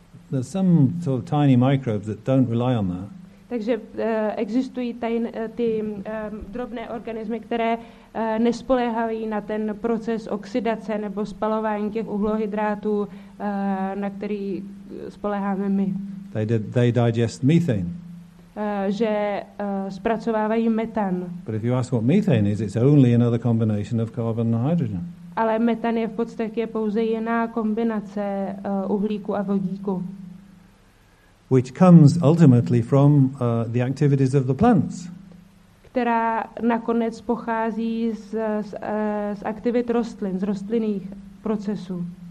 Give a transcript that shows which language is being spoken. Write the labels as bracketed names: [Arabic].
[English] There's some sort of tiny microbes that don't rely on that. [Czech] Takže existují ty drobné organismy, které nespoléhají na ten proces oxidace nebo spalování těch uhlohydrátů, na který spoléháme my. [English] They digest methane. [Czech] Že zpracovávají metan. [English] But if you ask what methane is, it's only another combination of carbon and hydrogen. [Czech] Ale metan je v podstatě pouze jiná kombinace uhlíku a vodíku. [English] Which comes ultimately from the activities of the plants. [Czech] Která nakonec pochází z aktivit rostlin, z rostlinných procesů.